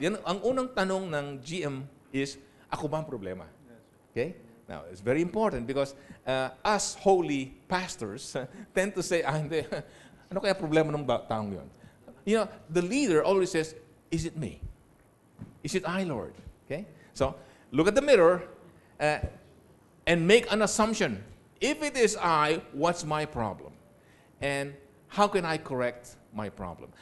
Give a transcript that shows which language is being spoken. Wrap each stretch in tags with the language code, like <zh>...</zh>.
<tl>Yan ang unang tanong ng GM is, ako ba ang problema?</tl> <en>Okay? Now, it's very important because us holy pastors tend to say, ah, hindi.</en> <tl>Ano kaya problema ng taong yun?</tl> <en>You know, the leader always says, is it me? Is it I, Lord? Okay? So, look at the mirror and make an assumption. If it is I, what's my problem? And how can I correct my problem?</en>